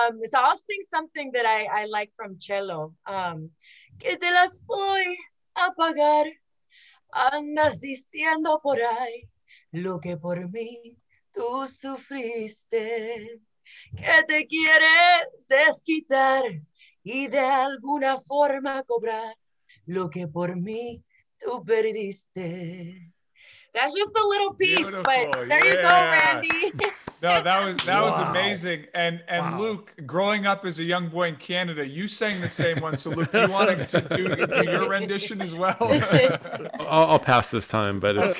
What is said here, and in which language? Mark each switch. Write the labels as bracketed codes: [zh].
[en] So I'll sing something that I like from Chelo. [es] Que te las voy a pagar. Andas diciendo por ahí lo que por mí tú sufriste. Que te quieres desquitar y de alguna forma cobrar lo que por mí tú perdiste. [en] That's just a little piece, Beautiful. But there yeah. you go, Randy. No, that was amazing. And wow. Luke, growing up as a young boy in Canada, you sang the same one. So Luke, do you want to do your rendition as well? I'll pass this time, but it's